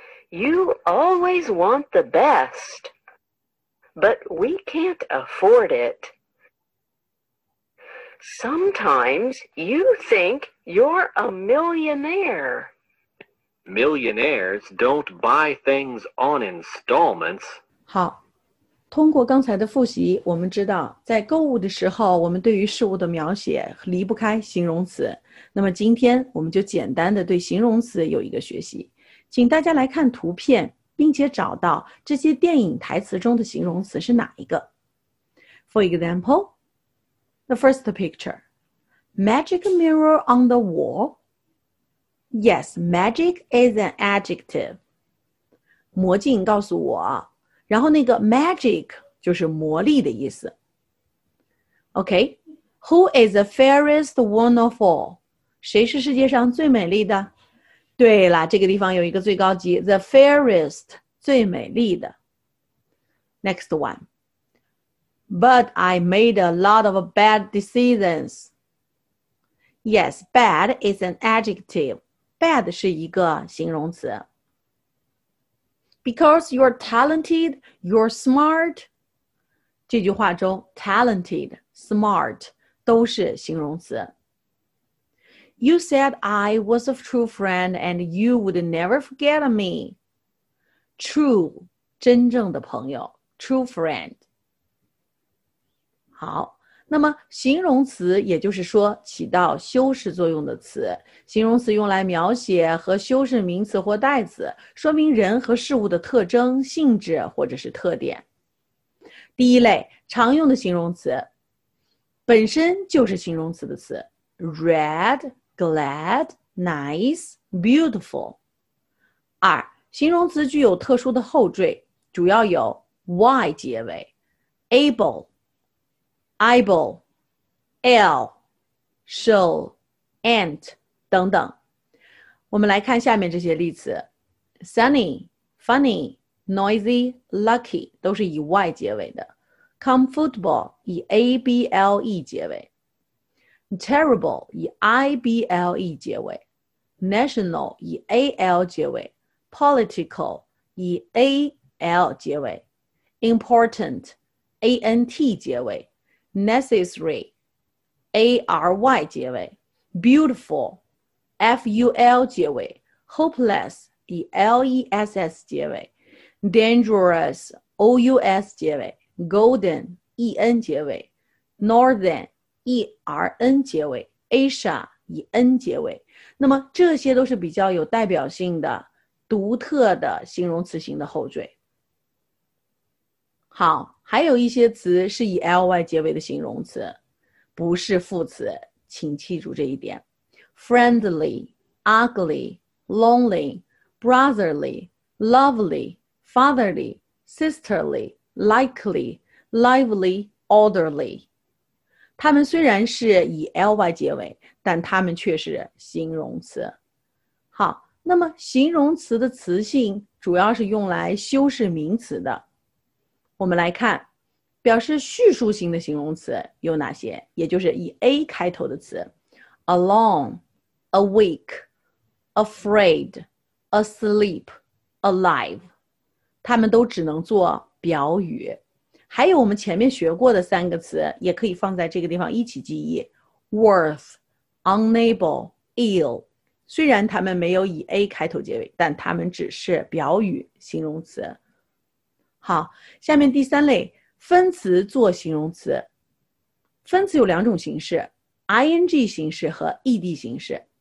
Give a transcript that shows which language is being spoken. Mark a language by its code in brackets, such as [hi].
[en] You always want the best. But we can't afford it. Sometimes you think you're a millionaire. Millionaires don't buy things on installments. [zh] 好，通过刚才的复习，我们知道，在购物的时候，我们对于事物的描写离不开形容词。那么今天我们就简单的对形容词有一个学习，请大家来看图片。并且找到这些电影台词中的形容词是哪一个。 [en] For example, the first picture, magic mirror on the wall. Yes, magic is an adjective. [zh] 魔镜告诉我，然后那个 magic 就是魔力的意思。 [en] Okay, who is the fairest one of all? [zh] 谁是世界上最美丽的？对了，这个地方有一个最高级 ， [en] the fairest， [zh] 最美丽的。 [en] Next one. But I made a lot of bad decisions. Yes, bad is an adjective. Bad [zh] 是一个形容词。 [en] Because you're talented, you're smart. [zh] 这句话中 ，talented, smart 都是形容词。 [en] You said I was a true friend and you would never forget me. True, [zh] 真正的朋友 [en] true friend. [zh] 好，那么形容词也就是说起到修饰作用的词。形容词用来描写和修饰名词或代词，说明人和事物的特征、性质或者是特点。第一类常用的形容词，本身就是形容词的词 , [en] red,Glad, nice, beautiful. [zh] 二，形容词具有特殊的后缀，主要有 y 结尾 ，able, able, l, shall, ant 等等。我们来看下面这些例子 ： [en] sunny, funny, noisy, lucky [zh] 都是以 y 结尾的 ；comfortable 以 able 结尾。 [en] Terrible [zh] 以 [en] I-B-L-E [zh] 结尾 [en] National 以 A-L 结尾 Political 以 A-L 结尾 Important A-N-T 结尾 Necessary A-R-Y [zh] 结尾 [en] Beautiful F-U-L 结尾 Hopeless 以 L-E-S-S 结尾 Dangerous O-U-S 结尾 Golden E-N 结尾 Northern E-R-N 结尾 ,Asia 以 N 结尾。 [zh] 那么这些都是比较有代表性的、独特的形容词型的后缀。好，还有一些词是以 L-Y 结尾的形容词，不是副词，请记住这一点。 [en] Friendly, ugly, lonely, brotherly, lovely, fatherly, sisterly, likely, lively, orderly. [zh] 他们虽然是以 ly 结尾，但他们却是形容词。好，那么形容词的词性主要是用来修饰名词的。我们来看，表示叙述性的形容词有哪些？也就是以 A 开头的词 ： [en] along, awake, afraid, asleep, alive。 [zh] 他们都只能做表语。还有我们前面学过的三个词，也可以放在这个地方一起记忆 ： [en] worth, unable, ill。 [zh] 虽然他们没有以 A 开头结尾，但他们只是表语形容词。好，下面第三类。分词做形容词，分词有两种形式 ,ing 形式和 ed 形式。